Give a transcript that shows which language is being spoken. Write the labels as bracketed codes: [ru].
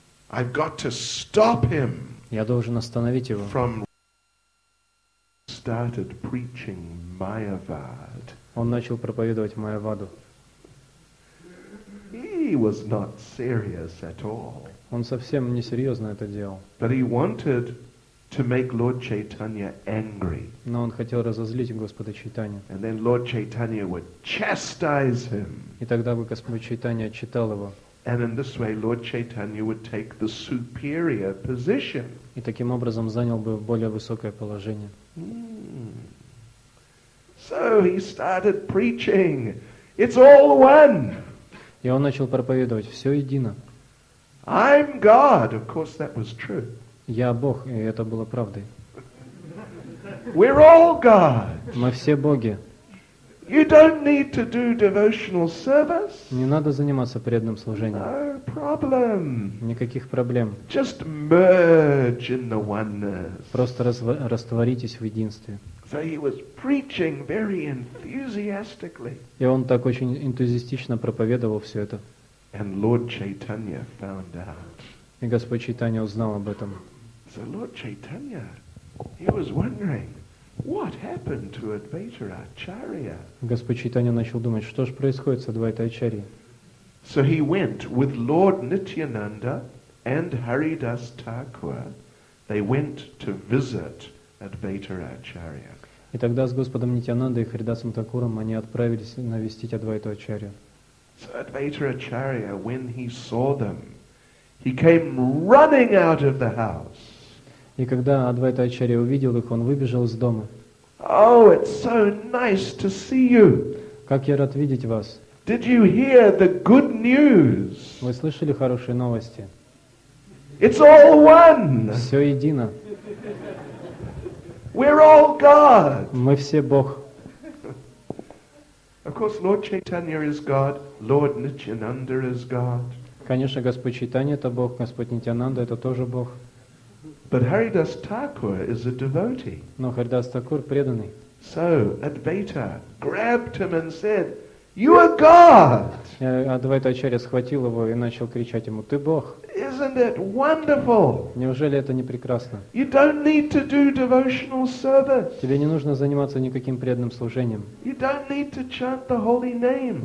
[en] I've got to stop him. [ru] Я должен остановить его. [en] From started preaching Mayavad. [ru] Он начал проповедовать Майяваду. [en] He was not serious at all. [ru] Он совсем не серьезно это делал. [en] But he wanted to make Lord Chaitanya angry. [ru] Но он хотел разозлить Господа Чайтанью. [en] And then Lord Chaitanya would chastise him. [ru] И тогда бы Господь Чайтанья отчитал его. [en] And in this way, Lord Chaitanya would take the superior position. [ru] И таким образом занял бы более высокое положение. [en] So he started preaching. It's all one. [ru] И он начал проповедовать. Все едино. [en] I'm God. Of course, that was true. [ru] Я Бог, и это было правдой. [en] We're all God. [ru] Мы все боги. [en] You don't need to do devotional service. [ru] Не надо заниматься преданным служением. [en] No problem. [ru] Никаких проблем. [en] Just merge in the oneness. [ru] Просто растворитесь в единстве. [en] So he was preaching very enthusiastically. [ru] И он так очень энтузиастично проповедовал все это. [en] And Lord Chaitanya found out. [ru] И Господь Чайтанья узнал об этом. [en] So Lord Chaitanya, he was wondering. What happened to Advaita Acharya? [ru] Господь Чайтанья начал думать, что же происходит с Адвайтой Ачарьей. [en] So he went with Lord Nityananda and Haridas Thakur. They went to visit Advaita Acharya. [ru] И тогда с Господом Нитьянандой и Харидасом Такуром они отправились навестить Адвайту Ачарью. [en] So Advaita Acharya, when he saw them, he came running out of the house. [ru] И когда Адвайта Ачарья увидел их, он выбежал из дома. [en] Oh, it's so nice to see you. [ru] Как я рад видеть вас. [en] Did you hear the good news? [ru] Вы слышали хорошие новости? [en] It's all one. [ru] Все едино. [en] We're all God. [ru] Мы все Бог. [en] Of course, Lord Chaitanya is God. Lord Nityananda is God. [ru] Конечно, Господь Чайтанья это Бог, Господь Нитьянанда это тоже Бог. [en] But Haridas Thakur is a devotee. [ru] Но Харидас Такур преданный. [en] So Advaita grabbed him and said, "You are God." [ru] Адвайта Ачарья схватил его и начал кричать ему: "Ты Бог!" [en] Isn't it wonderful? [ru] Неужели это не прекрасно? [en] You don't need to do devotional service. [ru] Тебе не нужно заниматься никаким преданным служением. [en] You don't need to chant the holy name.